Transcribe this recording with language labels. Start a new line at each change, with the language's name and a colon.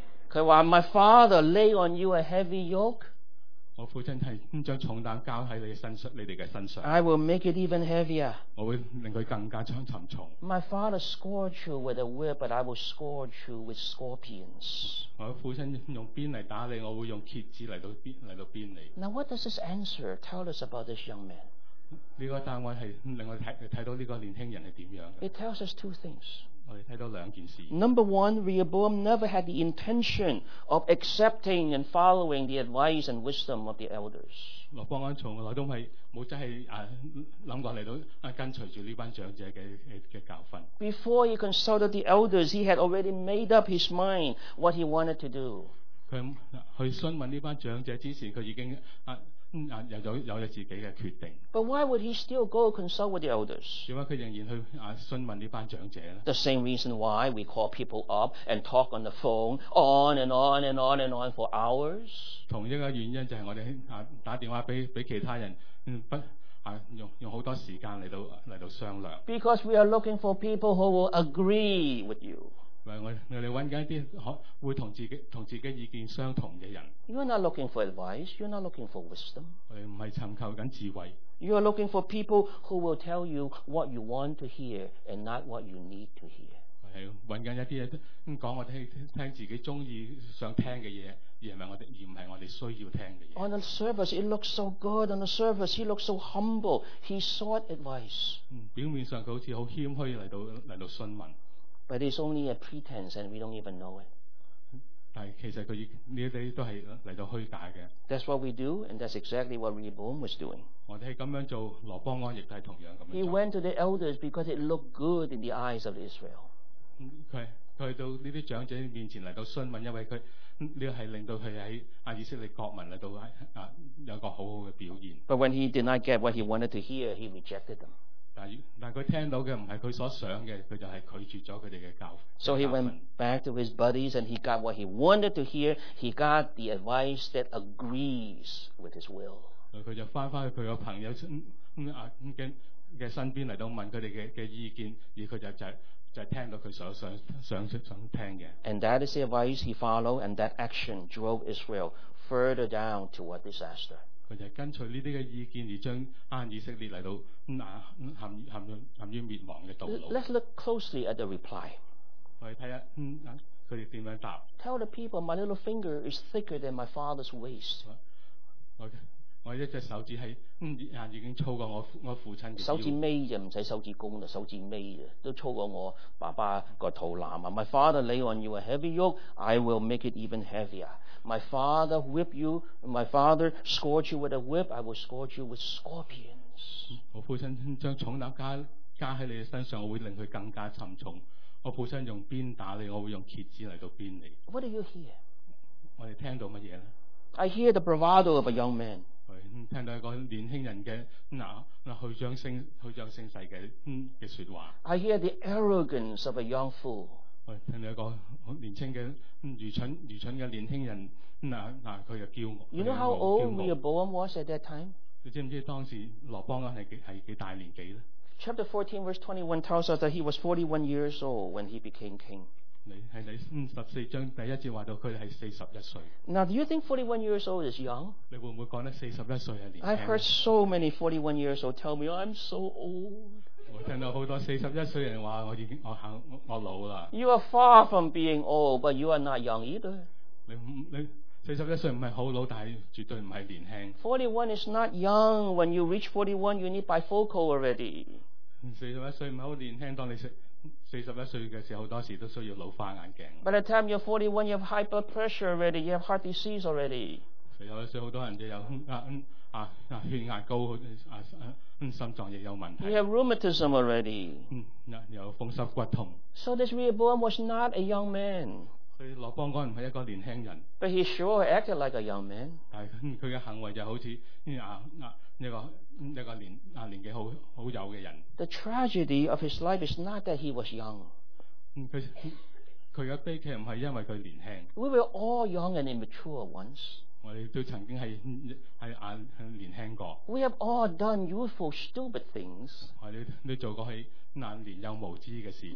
Chinese: 他說
English: my father lay on you a heavy yoke.
Chinese: 我父親係將重擔交喺你哋嘅身上。
English: I will make it even heavier.
Chinese: 我會令佢更加沉重。
English: My father scourged you with a whip, but I will scourge you with scorpions.
Chinese: 我父親用鞭來打你，我會用蠍子來到鞭你。
English: Now what does this answer tell us about this young man?
Chinese: 這個答案是令我們看到這個年輕人是怎樣的。
English: It tells us two things.
Chinese: 我們看到兩件事。
English: Number one, Rehoboam never had the intention of accepting and following the advice and wisdom of the elders.
Chinese: 羅波安從來都沒有真的想過來到跟隨著這班長者的教訓。
English: Before he consulted the elders, he had already made up his mind what he wanted to do.
Chinese: 他詢問這班長者之前，他已經有了自己的決定。
English: But why would he still go consult with the elders?
Chinese: 為什麼他仍然去詢問這班長者呢？
English: The same reason why we call people up and talk on the phone on and on and on and on for hours.
Chinese: 同一個原因就是我們打電話給其他人，用很多時間來到商量。
English: Because we are looking for people who will agree with you.
Chinese: 我哋揾緊一啲會同自己意見相同嘅人。
English: You are not looking for advice. You are not looking for wisdom.
Chinese: 我哋唔係尋求緊智慧。
English: You are looking for people who will tell you what you want to hear and not what you need to hear.
Chinese: 我係揾緊一啲講我聽自己中意想聽嘅嘢。而不是我們需要聽的。
English: On the surface, it looks so good. On the surface, he looks so humble. He sought advice.
Chinese: 表面上他好像很謙虛來到詢問。
English: But it's only a pretense and we don't even know it.
Chinese: 但其實他這些都是來到虛假的。
English: That's what we do and that's exactly what Rehoboam was doing.
Chinese: 我們是這樣做，羅波安也是同樣這樣做。
English: He went to the elders because it looked good in the eyes of Israel.
Chinese: 他去到這些長者面前來到詢問，因為他這是令到他在以色列國民來到有一個很好的表現。
English: But when he did not get what he wanted to hear, he rejected them.
Chinese: 但他聽到的不是他所想的，他就是拒絕了他們的教訓。
English: So he went back to his buddies and he got what he wanted to hear. He got the advice that agrees with his will.
Chinese: 他就回到他的朋友的身邊來問他們的意見，而他就聽到他所想聽的。
English: And that is the advice he followed, and that action drove Israel further down toward disaster.
Chinese: 他就跟隨這些意見而將以色列來到陷於滅亡的道路。
English: Let's look closely at the reply.
Chinese: 我們看一下他們怎樣答。
English: Tell the people my little finger is thicker than my father's waist.
Chinese: 我一隻手指已經粗過我父親的腰。手指尾而已，不用手指公，手指尾而已，都粗過我爸爸的肚腩。
English: My father lay on you a heavy yoke, I will make it even heavier. My father whip you, my father scorch you with a whip, I will scorch you with scorpions.
Chinese: 我父親將重擔加在你身上，我會令他更加沉重。我父親用鞭打你，我會用蠍子來鞭你。
English: What do you hear?
Chinese: 我們聽到什麼呢？
English: I hear the bravado of a young man.
Chinese: 聽到一個年輕人的虛張聲勢的說話。
English: I hear the arrogance of a young fool.
Chinese: 聽到一個年輕的愚蠢的年輕人，他的驕傲。
English: You know how old Rehoboam was at that time?
Chinese: 你知不知道當時羅波安是幾大年紀呢？
English: Chapter 14 verse 21 tells us that he was 41 years old when he became king.
Chinese: 在第14章第一節說到他是41歲。
English: Now do you think 41 years old is young?
Chinese: 你會不會說41歲是年輕？
English: I've heard so many 41 years old tell me I'm so old.
Chinese: 我聽到很多41歲人說我老了。
English: You are far from being old, but you are not young either.
Chinese: 你41歲不是很老，但絕對不是年輕。
English: 41 is not young. When you reach 41, you need bifocal already.
Chinese: 41歲不是很年輕，當你41歲的時候很多時候都需要老花眼鏡。
English: By the time you're 41, you have hyper pressure already, you have heart disease already.
Chinese: 41歲很多人就有血壓高，心臟也有問題。
English: You have rheumatism already.
Chinese: 有風濕骨痛。
English: So this Rehoboam was not a young man.
Chinese: 羅波安不是一個年輕人。
English: But he sure acted like a young man.
Chinese: 但他的行為就好像年紀好幼嘅人。
English: The tragedy of his life is not that he was young.
Chinese: 佢嘅悲劇唔係因為佢年輕。
English: We were all young and immature once.
Chinese: 我哋都曾經係年輕過。
English: We have all done youthful stupid things.
Chinese: 我哋都做過係年幼無知嘅事。